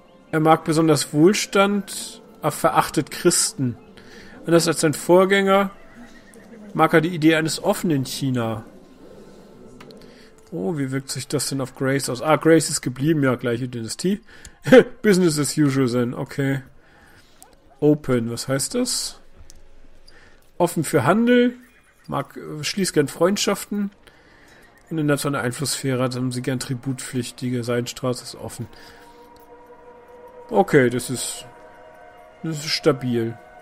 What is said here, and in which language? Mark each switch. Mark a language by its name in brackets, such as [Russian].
[German] Er mag besonders Wohlstand... Er verachtet Christen. Anders als sein Vorgänger mag er die Idee eines offenen China. Oh, wie wirkt sich das denn auf Grace aus? Ah, Grace ist geblieben, ja, gleiche Dynastie. [English] Business as usual then, okay. [German] Open, was heißt das? Offen für Handel, schließt gern Freundschaften. Und in der Zone Einflusssphäre haben sie gern tributpflichtige. Seidenstraße ist offen. Okay, das ist... Das ist stabil.